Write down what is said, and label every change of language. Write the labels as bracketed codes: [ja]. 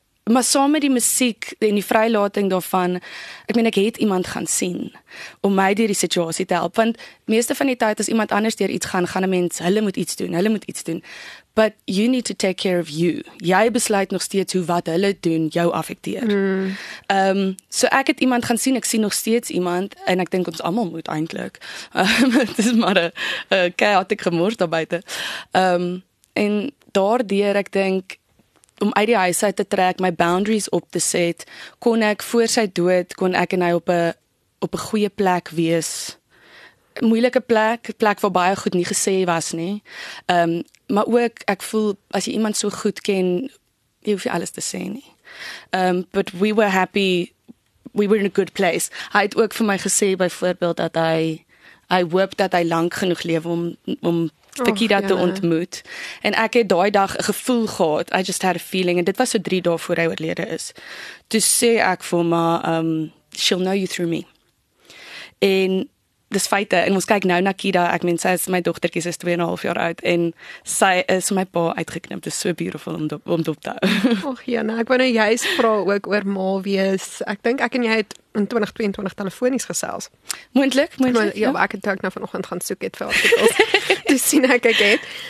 [af] Maar saam met die musiek en die vrylating daarvan, ek meen ek het iemand gaan sien om my deur die situasie te help. Want meeste van die tyd as iemand anders deur iets gaan, gaan 'n mens, hulle moet iets doen. [en] But you need to take care of you. [af] Jy besluit nog steeds hoe wat hulle doen jou affekteer. So ek het iemand gaan sien, ek sien nog steeds iemand en ek dink ons almal moet eintlik. Dit is maar 'n chaotiese gemors daar buite. En daardeur ek dink om uit die huis uit te trek, my boundaries op te set, kon ek voor sy dood, kon ek en hy op 'n goeie plek wees. Een moeilike plek, plek waar baie goed nie gesê was nie. Maar ook, ek voel, as jy iemand so goed ken, jy hoef jy alles te sê nie. [en] But we were happy, we were in a good place. [af] Hy het ook vir my gesê, byvoorbeeld, dat hy hoop dat hy lank genoeg lewe om Fikida te ontmoet. En ek het daai dag 'n gevoel gehad. [en] I just had a feeling. [af] En dit was so 3 dae voor hy oorlede is. Toe sê ek vir my, [en] she'll know you through me. [af] En dis feite. En ons kyk nou na Kida. Ek meen, sy is my dogtertjie, sy is 2.5 jaar oud. En sy is my pa uitgeknip. Dis so beautiful om te opdou. Och, Jana, ek wou nou juist vra ook oor ma wees. Ek dink ek en jy het in 2022 telefonies gesels. Moontlik. Ja, ek het ook nou vanoggend gaan soek het vir artikels. Toe sien ek ek het.